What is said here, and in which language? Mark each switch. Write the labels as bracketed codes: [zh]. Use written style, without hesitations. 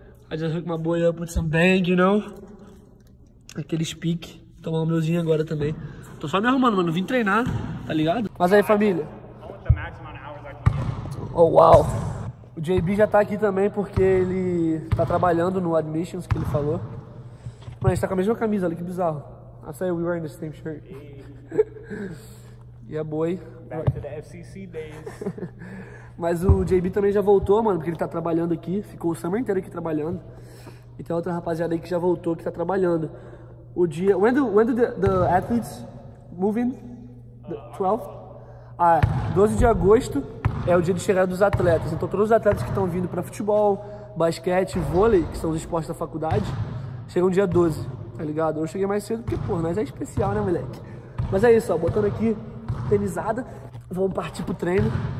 [en] I just hooked my boy up with some bang, you know? [pt] Aquele speak. Tomar o meuzinho agora também. Tô só me arrumando, mano. Vim treinar, tá ligado? Mas aí, família. Oh, uau. O JB já tá aqui também porque ele tá trabalhando no admissions que ele falou. Mano, a gente tá com a mesma camisa, olha que bizarro. [en] I say we wearing the same shirt. Yeah, boy. Back to the FCC days. [pt] Mas o JB também já voltou, mano, porque ele tá trabalhando aqui. Ficou o summer inteiro aqui trabalhando. E tem outra rapaziada aí que já voltou, que tá trabalhando. O dia. [en] When do the athletes moving? The 12th? [pt] Ah, 12 de agosto. É o dia de chegada dos atletas. Então todos os atletas que estão vindo para futebol, basquete, vôlei, que são os esportes da faculdade, chegam dia 12, tá ligado? Eu cheguei mais cedo porque, pô, nós é especial, né, moleque? Mas é isso, ó, botando aqui, tenisada, vamos partir pro treino.